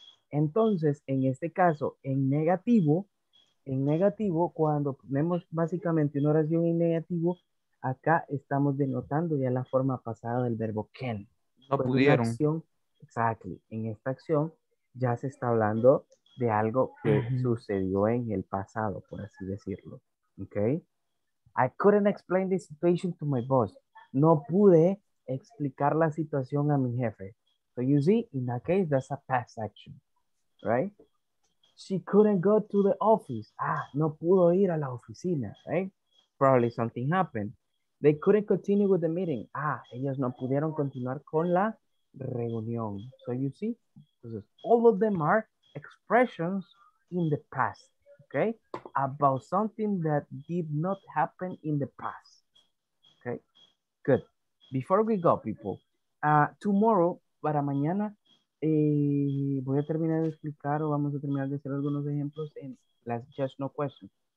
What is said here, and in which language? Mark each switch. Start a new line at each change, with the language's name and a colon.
Spanish: Entonces, en este caso, en negativo, cuando ponemos básicamente una oración en negativo, acá estamos denotando ya la forma pasada del verbo can. No pues pudieron. Exacto. En esta acción ya se está hablando de algo que sucedió en el pasado, por así decirlo. ¿Ok?
English: I couldn't explain the situation to my boss.
Spanish: No pude explicar la situación a mi jefe.
English: So you see, in that case, that's a past action, right? She couldn't go to the office. Ah,
Spanish: no pudo ir a la oficina,
English: right? Probably something happened. They couldn't continue with the meeting.
Spanish: Ah, ellos no pudieron continuar con la reunión.
English: So you see, entonces, all of them are expressions in the past. Okay, about something that did not happen in the past. Okay, good. Before we go, people, tomorrow,
Spanish: para mañana, voy a terminar de explicar o vamos a terminar de hacer algunos ejemplos en las just no questions.